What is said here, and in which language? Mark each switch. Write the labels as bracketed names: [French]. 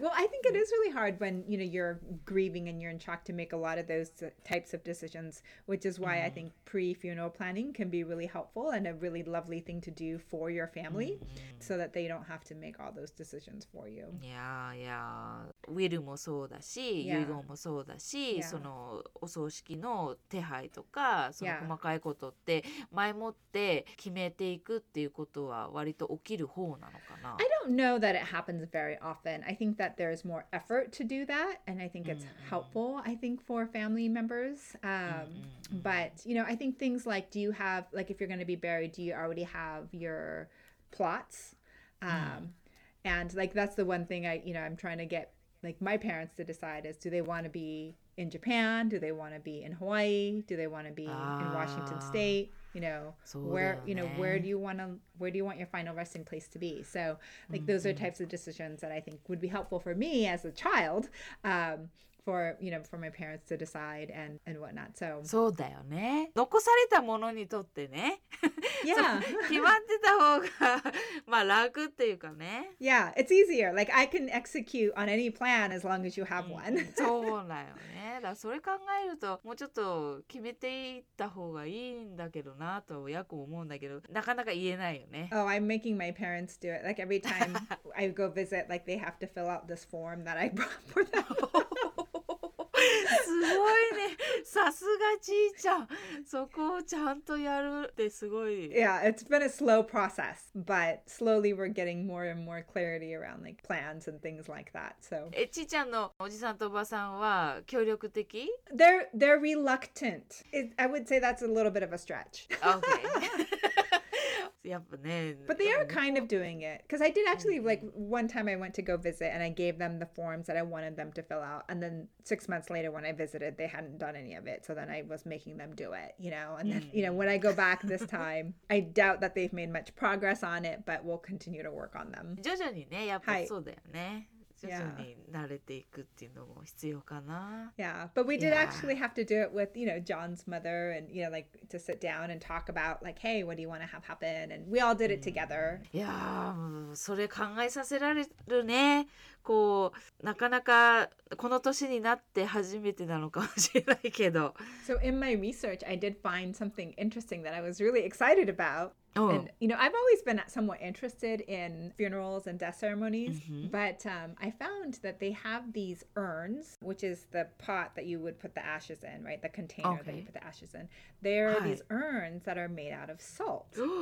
[English] Well, I think it is really hard when, you know, you're grieving and you're in shock to make a lot of those types of decisions, which is why mm-hmm. I think pre-funeral planning can be really helpful and a really lovely thing to do for your family mm-hmm. so that they don't have to make all those decisions for you. Yeah, yeah. [Japanese] ウィルもそうだし、遺言もそうだし、そのお葬式の手配とか、その細かいことって前もって決めていくっていうことは割と起きる方なのかな? [English] I don't know that it happens very often. I think that there is more effort to do that, and I think it's mm-hmm. helpful, I think, for family members. Mm-hmm. But, you know, I think things like, do you have, like, if you're going to be buried, do you already have your plots? Mm-hmm. And, like, that's the one thing I'm trying to get, like, my parents to decide is, do they want to be in Japan? Do they want to be in Hawaii? Do they want to be in Washington State? You know, where do you want your final resting place to be? So, like, mm-hmm. those are types of decisions that I think would be helpful for me as a child, for my parents to decide and whatnot. So, [Japanese] そうだよね。残されたものにとってね。 [English] Yeah. [Japanese] 決まってた方が、まあ、楽っていうかね。 [English] Yeah, it's easier. Like, I can execute on any plan as long as you have one. [Japanese] そうだよね。だからそれ考えると、もうちょっと決めていった方がいいんだけどなと、やく思うんだけど、なかなか言えないよね。 [English] Oh, I'm making my parents do it. Like, every time I go visit, like, they have to fill out this form that I brought for them. [Japanese] すごいね。さすがじいちゃん。そこをちゃんとやるってすごい。 [English] Yeah, it's been a slow process, but slowly we're getting more and more clarity around like plans and things like that. So, [Japanese] じいちゃんのおじさんとおばさんは協力的? [English] They're reluctant. I would say that's a little bit of a stretch. Okay. [Japanese] やっぱね。 [English] But they are kind of doing it. Because I did actually, like, one time I went to go visit and I gave them the forms that I wanted them to fill out. And then 6 months later, when I visited, they hadn't done any of it. So then I was making them do it, you know. And then, you know, when I go back this time, I doubt that they've made much progress on it, but we'll continue to work on them. [Japanese] 徐々にね、やっぱそうだよね。徐々に慣れていくっていうのも必要かな。 [English] Yeah, but we did actually have to do it with, you know, John's mother and, you know, like, to sit down and talk about, like, hey, what do you want to have happen? And we all did it together. [Japanese] いやー、それ考えさせられるね。こう、なかなかこの年になって初めてなのかもしれないけど。 [English] So in my research, I did find something interesting that I was really excited about. Oh. And, you know, I've always been somewhat interested in funerals and death ceremonies, mm-hmm. but I found that they have these urns, which is the pot that you would put the ashes in, right? The container okay. that you put the ashes in. There are these urns that are made out of salt.